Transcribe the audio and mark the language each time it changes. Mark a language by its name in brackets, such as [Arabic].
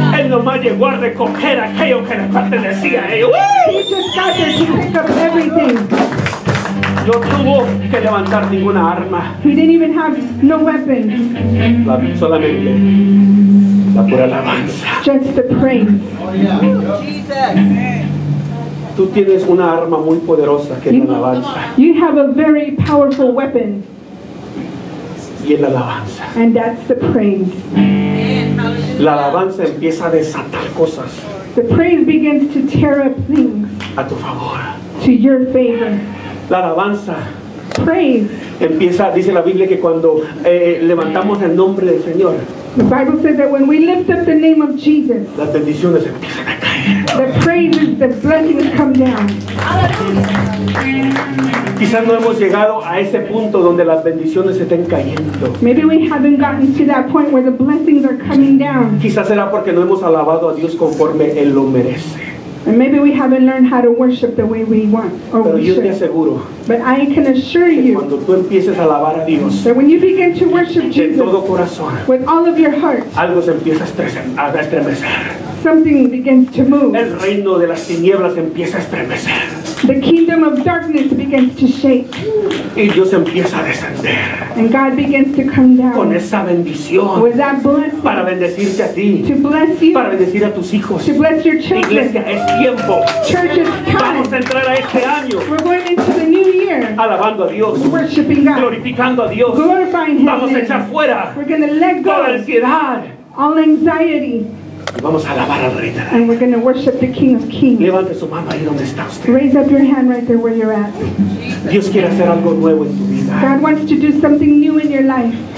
[Spanish] Él nomás llegó a recoger aquello que le pertenecía. [English] Hey, he just got there to pick up everything. [Spanish] No tuvo que levantar ninguna arma. [English] He didn't even have no weapons. [Spanish] Solamente la pura alabanza. [English] Just the praise. Oh, yeah. [Spanish] Tú tienes una arma muy poderosa que es la alabanza. [English] You have a very powerful weapon. [Spanish] Y es la alabanza. [English] And that's the praise. [Spanish] La alabanza empieza a desatar cosas. [English] The praise begins to tear up things. [Spanish] A tu favor. [English] To your favor. [Spanish] La alabanza. [English] Praise. [Spanish] Empieza, dice la Biblia que cuando levantamos el nombre del Señor. [English] The Bible says that when we lift up the name of Jesus. [Spanish] Las bendiciones empiezan a caer. [English] The praise is the blessings come down. [Spanish] Quizás no hemos llegado a ese punto donde las bendiciones estén cayendo. [English] Maybe we haven't gotten to that point where the blessings are coming down. [Spanish] Quizás será porque no hemos alabado a Dios conforme Él lo merece. [English] And maybe we haven't learned how to worship the way we want. Or [Spanish] pero [English] we should. [Spanish] Yo te aseguro, [English] but I can assure you [Spanish] cuando tú empieces a alabar a Dios, [English] that when you begin to worship Jesus [Spanish] todo corazón, [English] with all of your heart, [Spanish] algo se empieza a estremecer. [English] Something begins to move. [Spanish] El reino de las tinieblas empieza a estremecer. [English] The kingdom of darkness begins to shake. [Spanish] Y Dios empieza a descender. [English] And God begins to come down. [Spanish] Con esa bendición. [English] With that blessing. [Spanish] Para bendecirte a ti. [English] To bless you. [Spanish] Para bendecir a tus hijos. [English] To bless your children. [Spanish] Iglesia, es tiempo. [English] Church is time. [Spanish] Vamos a entrar a este año. [English] We're going into the new year. [Spanish] Alabando a Dios. [English] Worshiping God. [Spanish] Glorificando a Dios. [English] Glorifying Him. [Spanish] Vamos a echar fuera. [English] We're going to let go. [Spanish] Toda ansiedad. [English] All anxiety. [Spanish] Y vamos a alabar al Rey de Reyes. [English] And we're going to worship the King of Kings. [Spanish] Levante su mano ahí donde está usted. [English] Raise up your hand right there where you're at. [Spanish] Dios quiere hacer algo nuevo en tu vida. [English] God wants to do something new in your life.